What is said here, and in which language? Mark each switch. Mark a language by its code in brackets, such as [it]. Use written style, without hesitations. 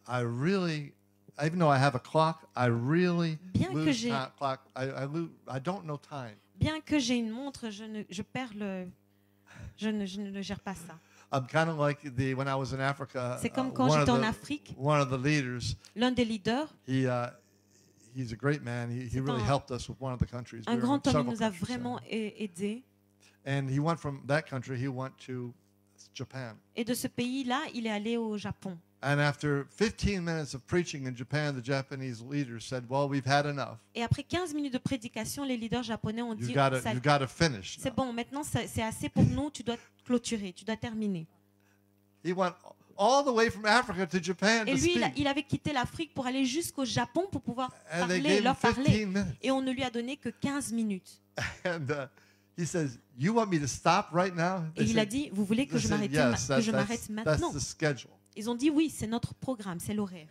[en] I really, even though I have a clock, I really [fr] bien [en] lose [fr] que j'ai [en] not clock. I don't know time. [fr] Bien que j'ai une montre, je perds le. Je ne gère pas ça. [en] I'm kind of like the when I was in Africa. [fr] C'est comme quand j'étais en Afrique. [en] One of the leaders. [fr] L'un des leaders. [en] He's a great man. He really helped us with one of the countries. [fr] Un grand homme nous a vraiment aidé. [en] And he went from that country. He went to Japan. [fr] Et de ce pays-là, il est allé au Japon. [en] And after 15 minutes of preaching in Japan, the Japanese leaders said, "Well, we've had enough." [fr] Et après 15 minutes de prédication, les leaders japonais ont dit, [en] "You've got to finish." [fr] C'est bon, maintenant c'est assez pour nous. Tu dois clôturer. Tu dois terminer. [en] He went all the way from Africa to Japan. [fr] Et lui, il avait quitté l'Afrique pour aller jusqu'au Japon pour pouvoir parler, leur parler. Et on ne lui a donné que 15 minutes. [en] He says, "You want me to stop right now?" [fr] Et il a dit, "Vous voulez que je m'arrête maintenant?" [en] That's the schedule. [fr] Ils ont dit oui, c'est notre programme, c'est l'horaire.